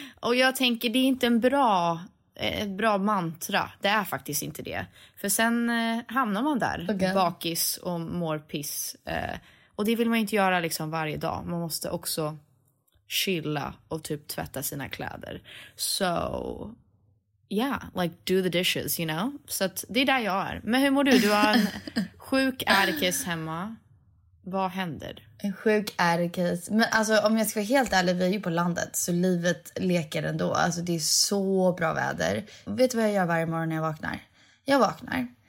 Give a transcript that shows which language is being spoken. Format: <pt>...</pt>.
<sv>Och jag tänker, det är inte ett bra mantra. Det är faktiskt inte det. För sen hamnar man där, bakis och mår piss. Och det vill man inte göra liksom varje dag. Man måste också... chilla och typ tvätta sina kläder.</sv> <en>So, yeah, like do the dishes, you know?</en> <sv>Så att det är där jag är. Men hur mår du? Du har en sjuk ärkis hemma. Vad händer? En sjuk ärkis. Men alltså, om jag ska vara helt ärlig, vi är ju på landet. Så livet leker ändå. Alltså, det är så bra väder. Vet du vad jag gör varje morgon när jag vaknar? Jag vaknar.</sv>